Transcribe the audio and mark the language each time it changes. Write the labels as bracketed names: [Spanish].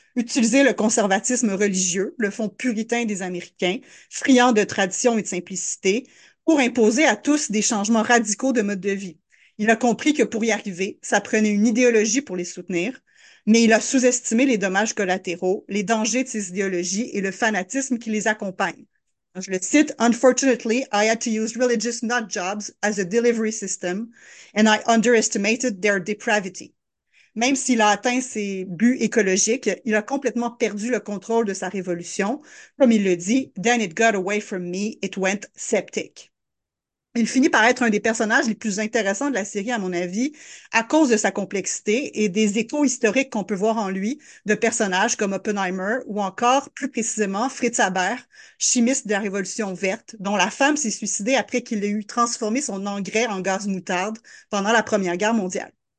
[French] Utiliser le conservatisme religieux, le fond puritain des Américains, friand de tradition et de simplicité, pour imposer à tous des changements radicaux de mode de vie. Il a compris que pour y arriver, ça prenait une idéologie pour les soutenir, mais il a sous-estimé les dommages collatéraux, les dangers de ces idéologies et le fanatisme qui les accompagne. Je le cite, [English] Unfortunately, I had to use religious nut jobs as a delivery system, and I underestimated their depravity. [French] Même s'il a atteint ses buts écologiques, il a complètement perdu le contrôle de sa révolution. Comme il le dit, [English] Then it got away from me, it went septic. [French] Il finit par être un des personnages les plus intéressants de la série, à mon avis, à cause de sa complexité et des échos historiques qu'on peut voir en lui de personnages comme Oppenheimer ou encore, plus précisément, Fritz Haber, chimiste de la Révolution verte, dont la femme s'est suicidée après qu'il ait eu transformé son engrais en gaz moutarde pendant la Première Guerre mondiale.